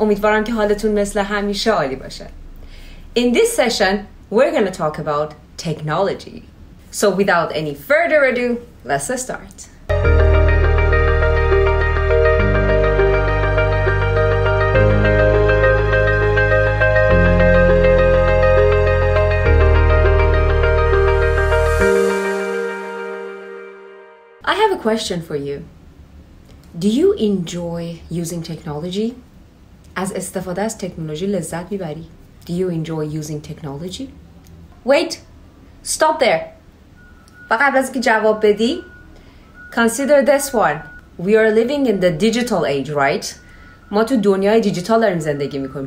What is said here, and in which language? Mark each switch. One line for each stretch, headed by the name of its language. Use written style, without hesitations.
Persian: امیدوارم که حالتون مثل همیشه عالی باشه.
English: In this session, we're going to talk about technology. So without any further ado, let's start. I have a question for you. Do you enjoy using technology?
Persian: از استفاده از تکنولوژی لذت می‌بری؟
English: Do you enjoy using technology? Wait. Stop there.
Persian: قبل از اینکه جواب بدی,
English: consider this one. We are living in the digital age, right?
Persian: ما تو دنیای دیجیتال داریم زندگی می‌کنیم.